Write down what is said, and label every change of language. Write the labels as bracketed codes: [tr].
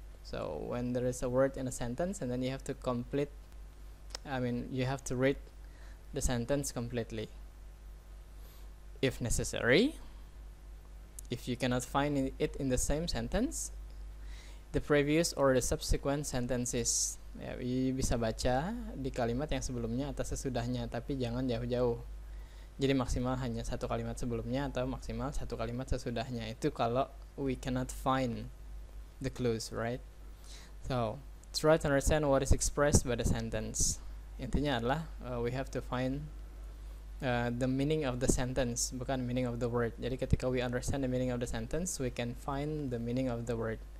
[en] So when there is a word in a sentence, and then you have to complete, you have to read the sentence completely. If necessary, if you cannot find it in the same sentence, the previous or the subsequent sentences. [id] Ya, you bisa baca di kalimat yang sebelumnya atau sesudahnya, tapi jangan jauh-jauh. Jadi maksimal hanya satu kalimat sebelumnya atau maksimal satu kalimat sesudahnya. Itu kalau [en] we cannot find the clues, right? So, try to understand what is expressed by the sentence. [id] Intinya adalah [en] we have to find the meaning of the sentence, [id] bukan [en] meaning of the word. [id] Jadi ketika [en] we understand the meaning of the sentence, we can find the meaning of the word.